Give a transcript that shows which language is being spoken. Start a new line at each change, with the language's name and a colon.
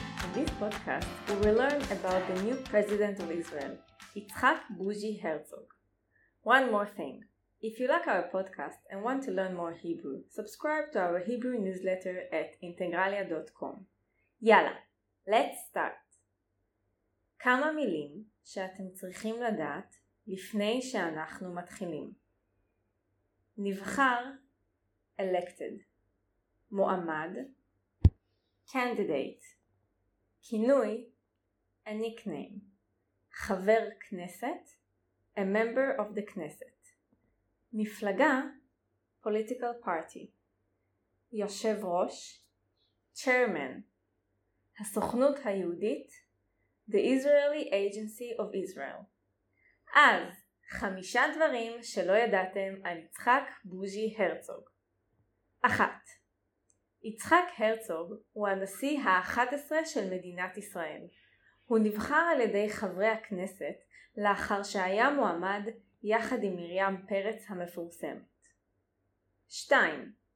English: In this podcast, we will learn about the new president of Israel, Yitzhak Bougie Herzog. One more thing. If you like our podcast and want to learn more Hebrew, subscribe to our Hebrew newsletter at integralia.com. Yala, let's start.
Hebrew: כמה מילים שאתם צריכים לדעת לפני שאנחנו מתחילים. נבחר,
English: elected.
Hebrew: מועמד,
English: candidate.
Hebrew: כינוי,
English: a nickname.
Hebrew: חבר כנסת,
English: a member of the Knesset.
Hebrew: מפלגה,
English: political party.
Hebrew: יושב ראש,
English: chairman.
Hebrew: הסוכנות היהודית,
English: the Israeli Agency of Israel.
Hebrew: אז, חמישה דברים שלא ידעתם על יצחק בוז'י הרצוג. אחת, יצחק הרצוג הוא הנשיא ה-11 של מדינת ישראל. הוא נבחר על ידי חברי הכנסת לאחר שהיה מועמד יחד עם מרים פרץ המפורסמת. 2.